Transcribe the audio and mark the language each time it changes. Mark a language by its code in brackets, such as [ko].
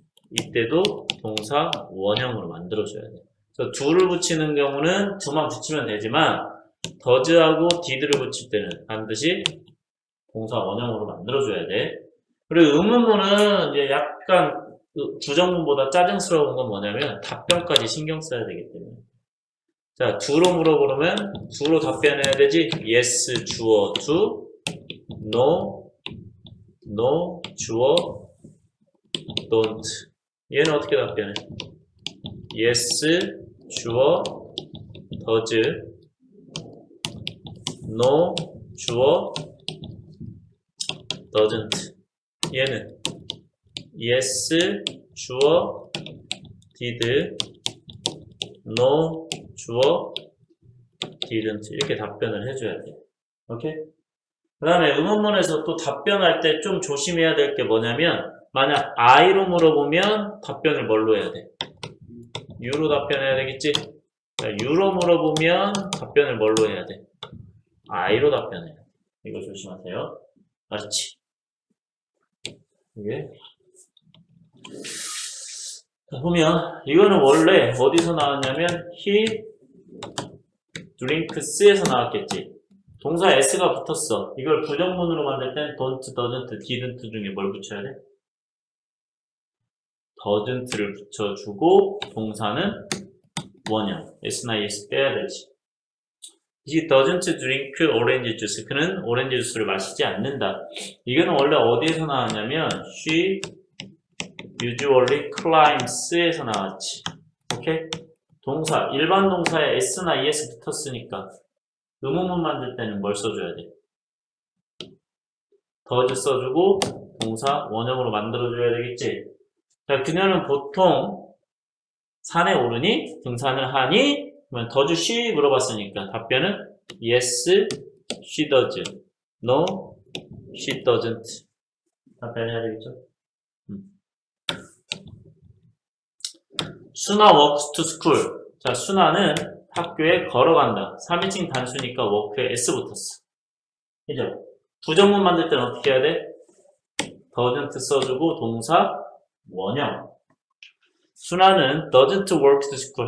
[ko] 이때도 동사 원형으로 만들어줘야 돼. 그래서 do를 붙이는 경우는 do만 붙이면 되지만 does하고 did를 붙일 때는 반드시 동사 원형으로 만들어줘야 돼. 그리고 의문문은 이제 약간 부정문보다 짜증스러운 건 뭐냐면 답변까지 신경 써야 되기 때문에. 자, do로 물어보면 do로 답변해야 되지. [en] yes 주어 do, no, no 주어 don't. [ko] 얘는 어떻게 답변해? [en] yes, 주어, does, no, 주어, doesn't. 얘는 yes, 주어, did, no, 주어, didn't. [ko] 이렇게 답변을 해줘야 돼. 오케이? 그 다음에 의문문에서 또 답변할 때좀 조심해야 될게 뭐냐면, 만약 I로 물어보면 답변을 뭘로 해야 돼? U로 답변해야 되겠지? 자, U로 물어보면 답변을 뭘로 해야 돼? I로 답변해야 돼. 이거 조심하세요. 알았지? 이게. 자, 보면 이거는 원래 어디서 나왔냐면 [en] he drinks [ko] 에서 나왔겠지. 동사 S가 붙었어. 이걸 부정문으로 만들 땐 don't, doesn't, didn't 중에 뭘 붙여야 돼? doesn't를 붙여주고 동사는 원형 s나 es 빼야 되지. [en] He doesn't drink orange juice. [ko] 그는 오렌지 주스를 마시지 않는다. 이거는 원래 어디에서 나왔냐면 she usually climbs에서 나왔지. 오케이? 동사 일반 동사에 s나 es 붙었으니까 의문문 만들 때는 뭘 써줘야 돼? does 써주고 동사 원형으로 만들어줘야 되겠지. 자, 그녀는 보통 산에 오르니, 등산을 하니, 그러면 does she 물어봤으니까 답변은 [en] yes, she does. No, she doesn't. [ko] 답변해야 되겠죠? [en] 순아 walks to school. [ko] 자, 순아는 학교에 걸어간다. 3인칭 단수니까 walk에 s 붙었어. 그죠? 부정문 만들 때는 어떻게 해야 돼? doesn't 써주고 동사 원형. [en] 순아는 doesn't walk to school.